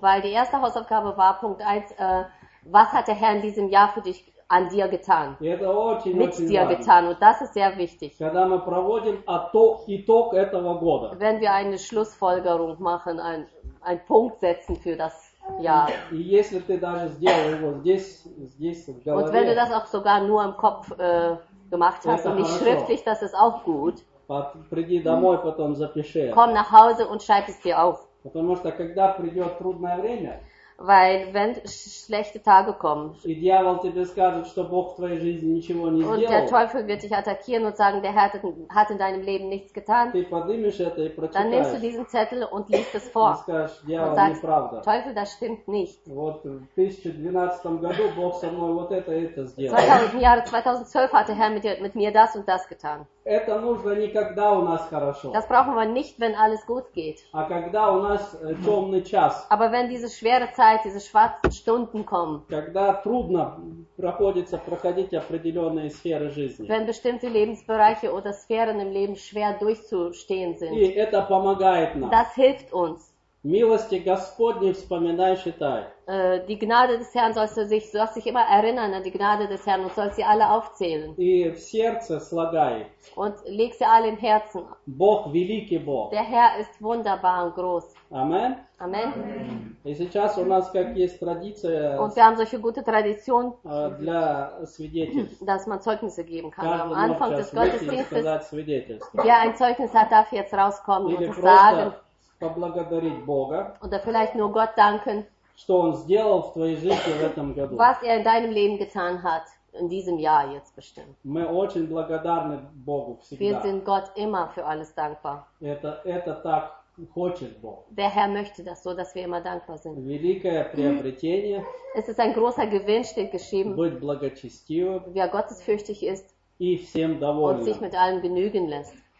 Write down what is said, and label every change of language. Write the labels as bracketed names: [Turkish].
[German] Weil die erste Hausaufgabe war Punkt 1, was hat der Herr in diesem Jahr für dich an dir getan? [Russian] И это очень, [German] mit [Russian] очень [German] dir [Russian] важно. [German] Getan, und das ist sehr wichtig. [Russian] Когда мы проводим итог этого года. [German] Wenn wir eine Schlussfolgerung machen, ein Punkt setzen für das Jahr. [Russian] И если ты даже сделал его здесь в голове. [German] Und wenn du das auch sogar nur im Kopf gemacht hast und [Russian] хорошо. [German] Nicht schriftlich, das ist auch gut. [Russian] Приди домой, потом запиши. [German] Komm nach Hause und schreib es dir auf. [Russian] Потому что когда придет трудное время. [German] Weil wenn schlechte Tage kommen. [Russian] И дьявол тебе скажет, что Бог в твоей жизни ничего не сделал. [German] Und der Teufel wird dich attackieren und sagen, der Herr hat in deinem Leben nichts getan. [Russian] Ты поднимешь это и прочитаешь. [German] Dann nimmst du diesen Zettel und liest es vor. [Russian] И скажешь, дьявол, неправда. [German] Teufel, das stimmt nicht. [Russian] Вот в 2012 году Бог со мной вот это сделал. [German] 2012 hat der Herr mit mir das und das getan. [Russian] Это нужно не когда у нас хорошо. [German] Das brauchen wir nicht, wenn alles gut geht. [Russian] А когда у нас темный час. [German] Aber wenn diese schwere Zeit diese schwarzen Stunden kommen. [Russian] Когда трудно проходить определенные сферы жизни. [German] Wenn bestimmte Lebensbereiche oder Sphären im Leben schwer durchzustehen sind. [Russian] И это помогает нам. [German] Das hilft uns. [Russian] Милости Господней вспоминай, считай. [German] Die Gnade des Herrn sollst du dich immer erinnern an die Gnade des Herrn und sollst sie alle aufzählen. [Russian] И в сердце слагай. [German] Und leg sie alle im Herzen. [Russian] Бог великий Бог. [German] Der Herr ist wunderbar und groß. Amen. Amen. [Russian] И сейчас у нас как есть традиция. [German] Und wir haben solche gute Tradition. [Russian] Для свидетельств. [German] Dass man Zeugnisse geben kann. [Russian] Каждый [German] am Anfang des Gottesdienstes. [Russian] Сказать свидетельство. [German] Wer ein Zeugnis hat, darf jetzt rauskommen [Russian] Или [German] und sagen. [Russian] Поблагодарить Бога. [German] Oder vielleicht nur Gott danken. [Russian] Что он сделал в твоей жизни в этом году. [German] Was in deinem Leben getan hat. In diesem Jahr jetzt bestimmt. [Russian] Мы очень благодарны Богу всегда. [German] Wir sind Gott immer für alles dankbar. [Russian] Это так хочет Бог. [German] Der Herr möchte das so, dass wir immer dankbar sind. [Russian] Великое приобретение. [German] Es ist ein großer Gewinn, steht geschrieben. [Russian] Быть благочестивым. [German] Wer gottesfürchtig ist. [Russian] И всем довольным. [German] Und sich mit allem genügen lässt.